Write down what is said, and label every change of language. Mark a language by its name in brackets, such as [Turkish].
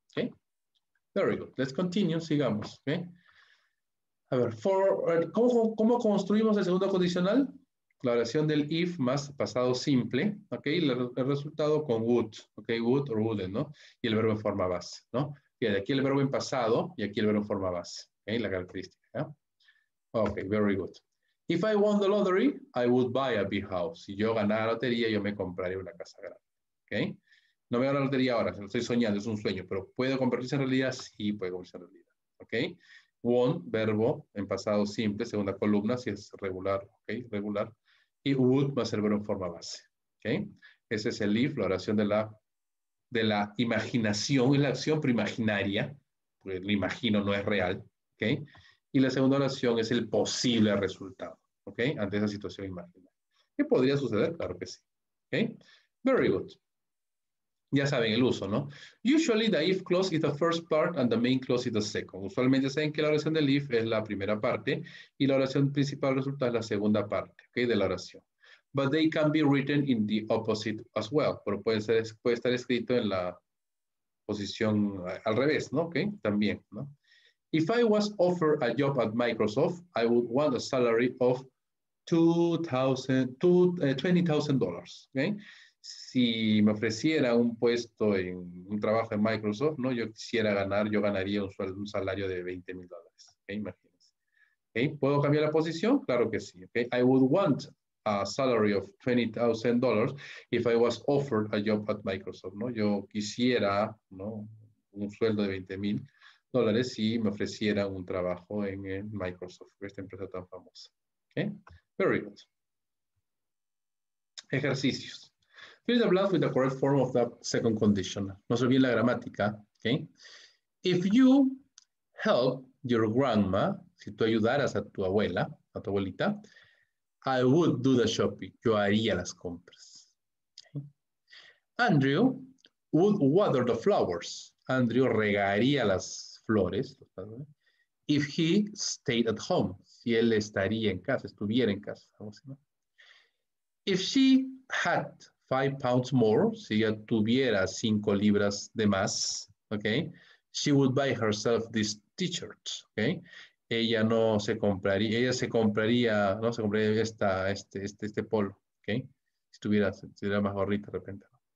[Spanish] ¿Okay? [English] Very good. Let's continue, [Spanish] sigamos. ¿Okay? A ver, ¿cómo construimos el segundo condicional? La oración del if más pasado simple, ¿okay? El resultado con would, ¿okay? Would or wouldn't, ¿no? Y el verbo en forma base, ¿no? Fíjate, aquí el verbo en pasado y aquí el verbo en forma base, ¿okay? La característica, ¿ya? [English] Okay, very good. If I won the lottery, I would buy a big house. [Spanish] Si yo ganara la lotería, yo me compraría una casa grande. Okay? No me gano la lotería ahora, lo estoy soñando, es un sueño, pero ¿puede convertirse en realidad? Sí, puede convertirse en realidad. Okay? Won, verbo en pasado simple, segunda columna, si es regular. Okay? Regular. Y would va a ser verbo en forma base. Okay? Ese es el if, la oración de la imaginación y la acción preimaginaria, porque lo imagino, no es real. Okay? Y la segunda oración es el posible resultado, ¿ok? Ante esa situación imaginaria. ¿Qué podría suceder? Claro que sí. ¿Okay? [English] Very good. [Spanish] Ya saben el uso, ¿no? [English] Usually the if clause is the first part and the main clause is the second. [Spanish] Usualmente saben que la oración del if es la primera parte y la oración principal resulta es la segunda parte, ¿ok? De la oración. [English] But they can be written in the opposite as well. [Spanish] Pero puede estar escrito en la posición al revés, ¿no? ¿Ok? También, ¿no? [English] If I was offered a job at Microsoft, I would want a salary of $20,000. ¿Okay? [Spanish] Si me ofreciera un puesto en un trabajo en Microsoft, ¿no? Yo quisiera ganar, yo ganaría un salario de $20,000. ¿Okay? Imagínense. ¿Okay? ¿Puedo cambiar la posición? Claro que sí. [English] ¿Okay? I would want a salary of $20,000 if I was offered a job at Microsoft, ¿no? [Spanish] Yo quisiera, ¿no? Un sueldo de $20,000. Dólares si me ofrecieran un trabajo en Microsoft, esta empresa tan famosa. [English] Okay? Very good. [Spanish] Ejercicios. [English] Fill the blank with the correct form of the second conditional. [Spanish] No se olviden la gramática. Okay? [English] If you help your grandma, [Spanish] si tú ayudaras a tu abuela, a tu abuelita, [English] I would do the shopping. [Spanish] Yo haría las compras. [English] Andrew would water the flowers. [Spanish] Andrew regaría las flores, [English] if he stayed at home, [Spanish] si él estaría en casa, estuviera en casa. Así, ¿no? [English] If she had 5 pounds more, [Spanish] si ella tuviera 5 libras de más, [English] okay, she would buy herself this t-shirt. Okay? [Spanish] Ella no se compraría, ella se compraría, no se compraría este polo, okay, si estuviera más gordita de repente.